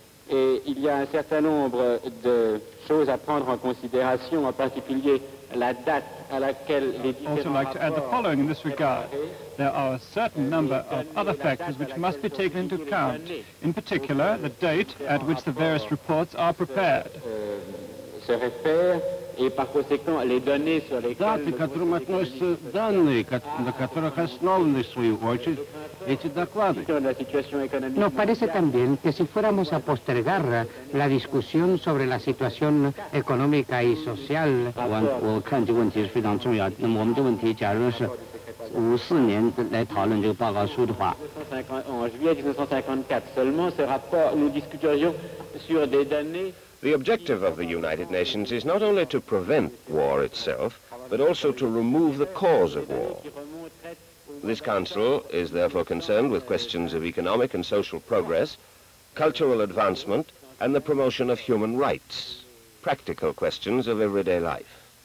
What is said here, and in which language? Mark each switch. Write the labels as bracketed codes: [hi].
[fr] Et il y a un certain nombre de choses à prendre en considération, en particulier la date à laquelle les différents [en] rapports... I'd also like to add the following in this regard. There are a certain number of other factors which must be taken into account, in particular the date at which the various reports are prepared. [fr] Se réfère et par conséquent les données sur lesquelles... [ru] Даты, которым относятся данные, на которых основаны, в свою очередь, эти доклады. [es] Nos parece también que si fuéramos a postergar la discusión sobre la situación económica y social... [zh] 我看这个问题是非常重要的，那么我们这个问题假如是 54年来讨论这个报告书的话... [fr] En juillet 1954 seulement, ce rapport, nous discuterions sur des données... [en] The objective of the United Nations is not only to prevent war itself, but also to remove the cause of war. This Council is therefore concerned with questions of economic and social progress, cultural advancement, and the promotion of human rights, practical questions of everyday life.